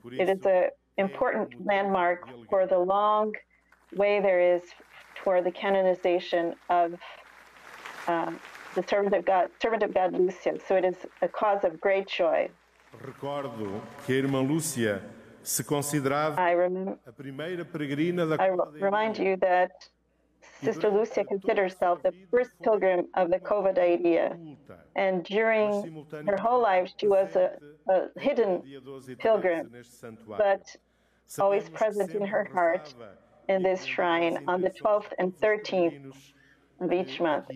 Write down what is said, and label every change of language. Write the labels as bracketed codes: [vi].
[en] It is an important landmark for the long way there is toward the canonization of the servant of God Lucia. So it is a cause of great joy. [pt] Recordo que a irmã Lucia se considerava a primeira peregrina da [en] remind you that Sister Lucia considered herself the first pilgrim of the Cova da Iria. And during her whole life, she was a hidden pilgrim, but always present in her heart in this shrine on the 12th and 13th of each month.